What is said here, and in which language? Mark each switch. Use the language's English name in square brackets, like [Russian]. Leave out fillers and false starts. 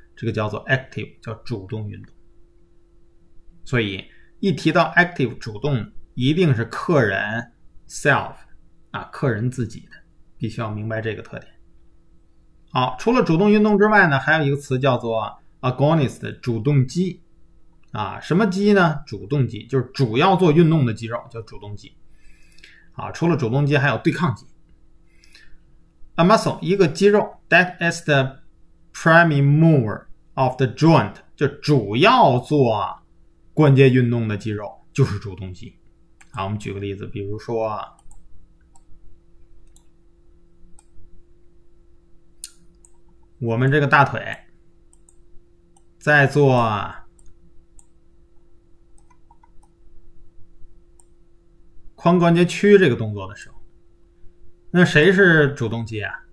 [Chinese] 这个叫做 active，叫主动运动。所以一提到 active 主动，一定是客人 self 啊，客人自己的，必须要明白这个特点。好，除了主动运动之外呢，还有一个词叫做 agonist 的主动肌啊，什么肌呢？主动肌就是主要做运动的肌肉，叫主动肌。啊，除了主动肌，还有对抗肌， [English] a muscle [Chinese] 一个肌肉， [English] that is the primary mover of the joint [Chinese] 就主要做。关节运动的肌肉就是主动肌。好，我们举个例子，比如说我们这个大腿在做髋关节屈这个动作的时候，那谁是主动肌啊？